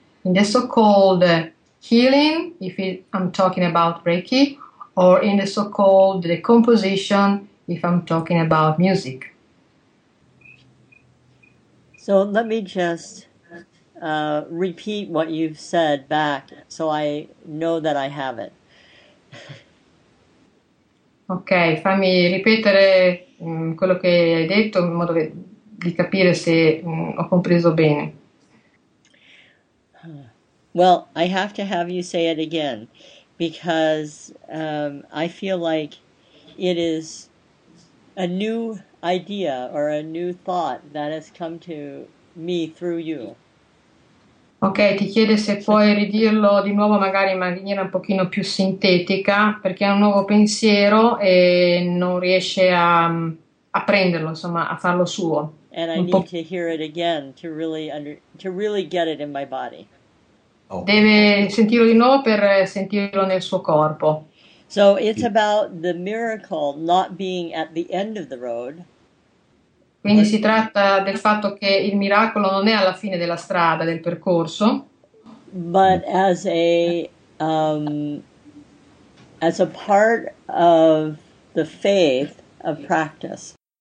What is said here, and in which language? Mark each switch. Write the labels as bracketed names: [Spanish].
[English] in the so-called healing, if I'm talking about Reiki, or in the so-called decomposition, if I'm talking about music. So let me just repeat what you've said back so I know that I have it. [Italian] Ok, fammi ripetere quello che hai detto in modo che di capire se ho compreso bene. [English] Well, I have to have you say it again because I feel like it is a new idea or a new thought that has come to me through you. [Italian] Ok, ti chiede se puoi ridirlo di nuovo magari in maniera un pochino più sintetica perché è un nuovo pensiero e non riesce a prenderlo, insomma, a farlo suo. [English] And I need to hear it again to really get it in my body. Oh. [Italian] Deve sentirlo di nuovo per sentirlo nel suo corpo. [English] So it's about the miracle not being at the end of the road. [Italian] Quindi si tratta del fatto che il miracolo non è alla fine della strada, del percorso. [English] But as a part of the faith of practice.